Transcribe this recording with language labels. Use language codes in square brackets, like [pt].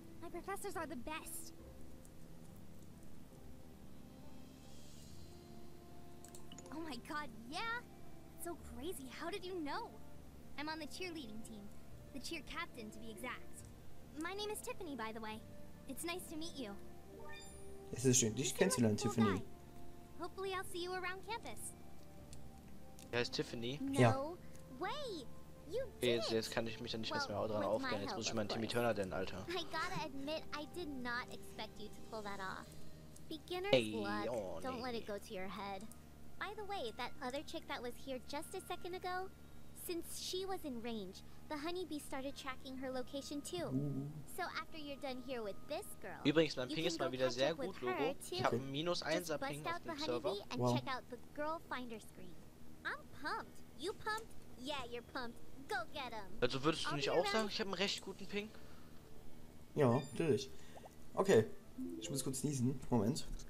[en] My professors are the best. Oh my god, yeah. So crazy. How did you know? I'm on the cheerleading team. The cheer captain, to be exact. My name is Tiffany, by the way. It's nice to meet you. [de] Es ist schön, dich kennenzulernen, Tiffany. [en] Hopefully I'll see you around campus. [de] Ja, ist Tiffany? Ja. [en] No way! You did it! [de] Jetzt kann ich mich dann nicht mehr hau dran aufgehen. Jetzt muss ich meinen Timmy Turner denn, Alter. [en] I gotta admit, I did not expect you to pull that off. Beginner's luck. Don't let it go to your head. By the way, that other chick that was here just a second ago, since she was in range, the honeybee started tracking her location too. So after you're done here with this girl. [de] Übrigens, mein Ping ist mal wieder sehr gut, Logo. Ich habe -1er Ping auf dem Server. [en] And check out the girl finder screen. I'm pumped. You pumped? Yeah, you're pumped. Go get him. [de] Also würdest du nicht auch sagen, ich habe einen recht guten Ping? Ja, natürlich. Okay. Ich muss kurz niesen. Moment.